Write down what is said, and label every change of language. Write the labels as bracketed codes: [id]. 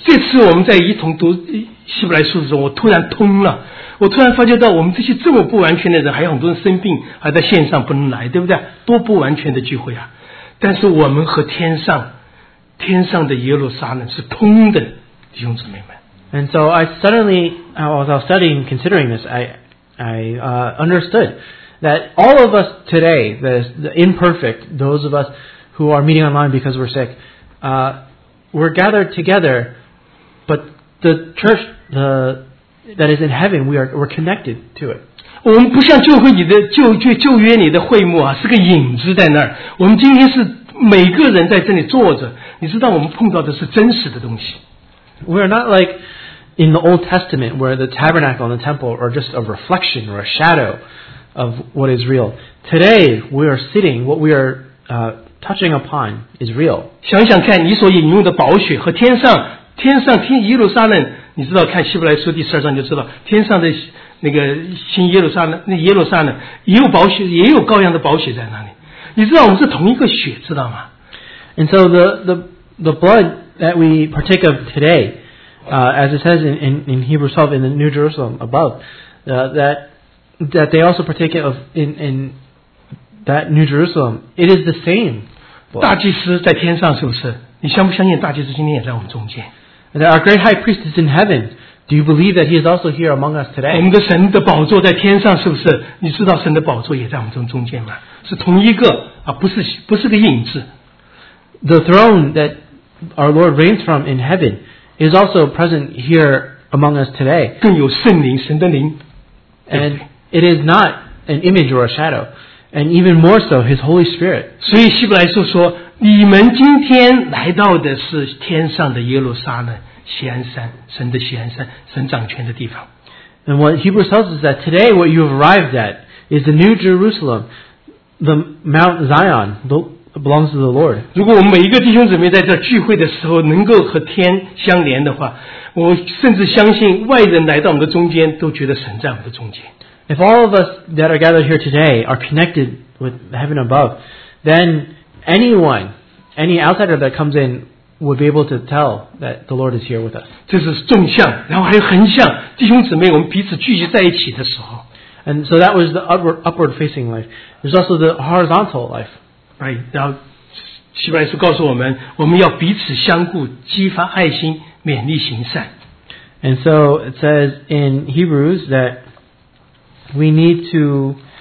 [zh] 这次我们在一同读希伯来书的时候，我突然通了。我突然发觉到，我们这些这么不完全的人，还有很多人生病，还在线上不能来，对不对？多不完全的聚会啊！但是我们和天上的耶路撒冷是通的，弟兄姊妹们。 [en] And so I suddenly, as I was studying, considering this, I understood that all of us today, the imperfect, those of us who are meeting online because we're sick, we're gathered together, but the church, that is in heaven, we're connected to it. [zh] 我们不像旧约里的会幕啊，是个影子在那儿。我们今天是每个人在这里坐着，你知道我们碰到的是真实的东西。 [en] We are not like in the Old Testament where the tabernacle and the temple are just a reflection or a shadow of what is real. Today, we are sitting, what we are touching upon is real. [zh] 想想看你所引用的宝血和天上天耶路撒冷，你知道看希伯来书第十二章就知道，天上的那个新耶路撒冷，那耶路撒冷也有宝血，也有羔羊的宝血在那里。你知道我们是同一个血，知道吗 [en] ？And so the blood that we partake of today, as it says in Hebrews 12 in the New Jerusalem above, that they also partake of in that New Jerusalem, it is the same blood. [zh] 大祭司在天上是不是？你相不相信大祭司今天也在我们中间？ [en] That our great high priest is in heaven. Do you believe that he is also here among us today? [zh] 我们的神的宝座在天上，是不是？你知道神的宝座也在我们中间吗？是同一个啊，不是个影子。 [en] The throne that our Lord reigns from in heaven is also present here among us today. [zh] 更有圣灵，神的灵。 [en] And it is not an image or a shadow. And even more so, His Holy Spirit. [zh] 所以希伯来书说。你们今天来到的是天上的耶路撒冷，锡安山，神的锡安山，神掌权的地方。 [en] And what Hebrews tells us that today what you have arrived at is the New Jerusalem, the Mount Zion, belongs to the Lord. [zh] 如果我们每一个弟兄姊妹在这聚会的时候能够和天相连的话，我甚至相信外人来到我们的中间都觉得神在我们的中间。 [en] If all of us that are gathered here today are connected with heaven above, then any outsider that comes in would be able to tell that the Lord is here with us. [zh] 这是纵向，然后还有横向，弟兄姊妹，我们彼此聚集在一起的时候。 [en] And so that was the upward facing life. There's also the horizontal life. Right. [zh] 然后希伯来书告诉我们，我们要彼此相顾，激发爱心，勉励行善。 [en] And so it says in Hebrews that we need to,